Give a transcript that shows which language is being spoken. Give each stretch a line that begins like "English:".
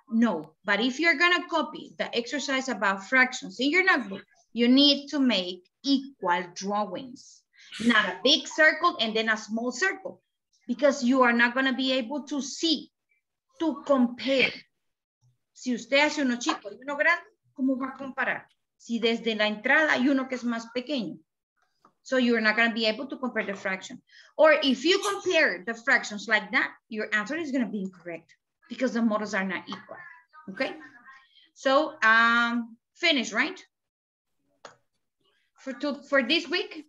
English: No, but if you're gonna copy the exercise about fractions in your notebook, you need to make equal drawings, not a big circle and then a small circle, because you are not gonna be able to see, to compare.
Spanish: Si usted hace uno chico y uno grande, ¿cómo va a comparar? Si desde la entrada hay uno que es más pequeño.
English: So you're not gonna be able to compare the fraction. Or if you compare the fractions like that, your answer is gonna be incorrect because the models are not equal, okay? So finish, right? For this week?